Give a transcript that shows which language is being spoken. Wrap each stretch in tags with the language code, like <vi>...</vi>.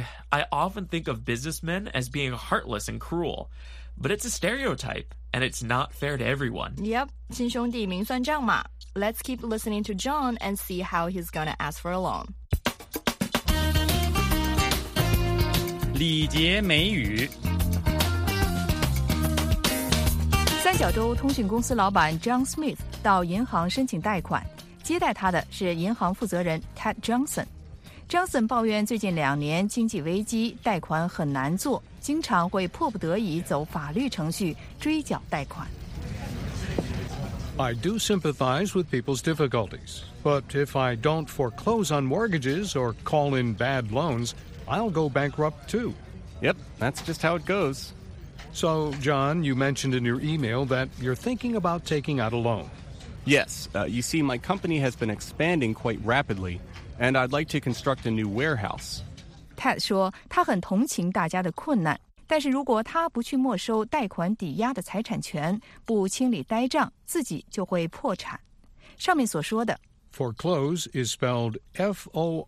<en>I often think of businessmen as being heartless and cruel, but it's a stereotype, and it's not fair to everyone.</en> <zh>Yep, 亲兄弟明算账嘛。</zh> <en>Let's keep listening to John and see how he's gonna ask for a loan.</en> <zh>礼节美语。三角洲通讯公司老板 John Smith 到银行申请贷款，接待他的是银行负责人 Ted Johnson。 Johnson 抱怨最近两年经济危机，贷款很难做，经常会迫不得已走法律程序追缴贷款。</zh> <en>I do sympathize with people's difficulties, but if I don't foreclose on mortgages or call in bad loans, I'll go bankrupt too. Yep, that's just how it goes. So, John, you mentioned in your email that you're thinking about taking out a loan. Yes, you see, my company has been expanding quite rapidly. And I'd like to construct a new warehouse.</en> <zh>Ted 说他很同情大家的困难，但是如果他不去没收贷款抵押的财产权，不清理呆账，自己就会破产。上面所说的</zh> <en>Foreclose is spelled F-O-R-E-C-L-O-S-E.</en>